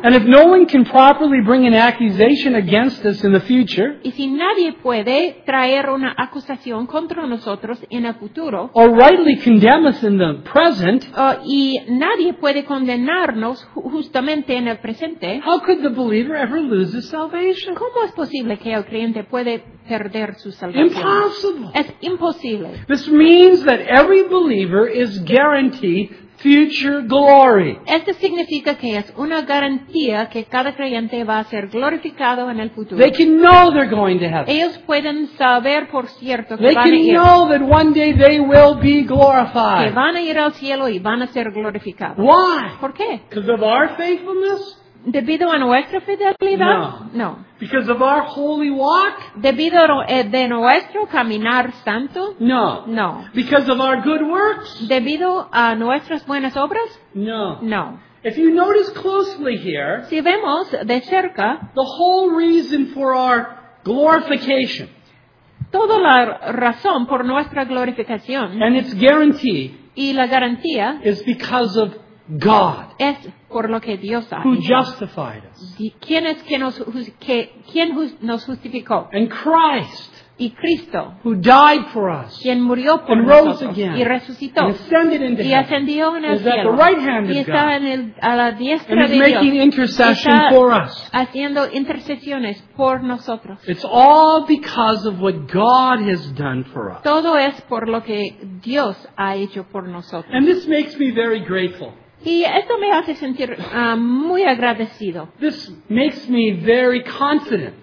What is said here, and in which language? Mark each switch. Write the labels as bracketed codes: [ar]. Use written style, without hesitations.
[en] And if no one can properly bring an accusation against us in the future. [es] Y si nadie puede traer una acusación contra nosotros en el futuro. [en] Or rightly condemn us in the present. [es] Y nadie puede condenarnos justamente en el presente. [en] How could the believer ever lose his salvation? [es] ¿Cómo es posible que el creyente puede perder su salvación? [en] Impossible. [es] Es imposible. [en] This means that every believer is guaranteed future glory. [es] Esto significa que es una garantía que cada creyente va a ser glorificado en el futuro. [en] They can know they're going to heaven. [es] Ellos pueden saber por cierto que [en] they [es] van a ir. [en] They can know that one day they will be glorified. [es] Que van a ir al cielo y van a ser glorificados. [en] Why? [es] ¿Por qué? [en] Because of our faithfulness? [es] ¿Debido a nuestra fidelidad? [en] No. [es] No. [en] Because of our holy walk? [es] ¿Debido de nuestro caminar santo? [en] No. [es] No. [en] Because of our good works? [es] ¿Debido a nuestras buenas obras? [en] No. [es] No. [en] If you notice closely here, [es] si vemos de cerca, [en] the whole reason for our glorification, [es] toda la razón por nuestra glorificación, [en] and its guarantee, [es] y la garantía, [en] is because of God. [es] Es por lo que Dios ha [en] who justified us. [es] ¿Quién es quien nos justificó? [en] And Christ. [es] Y Cristo. [en] Who died for us. [es] Quien murió por [en] and [es] nosotros. [en] Rose again. [es] Y resucitó. [en] And ascended into heaven. [es] Y ascendió en el [en] is [es] cielo. [en] At the right hand of [es] y está [en] God. [es] En el, a la diestra [en] and [es] de Dios. [en] And making intercession for us. [es] Haciendo intercesiones por nosotros. [en] It's all because of what God has done for us. [es] Todo es por lo que Dios ha hecho por nosotros. [en] And this makes me very grateful. [es] Y esto me hace sentir muy agradecido. [en] This makes me very confident.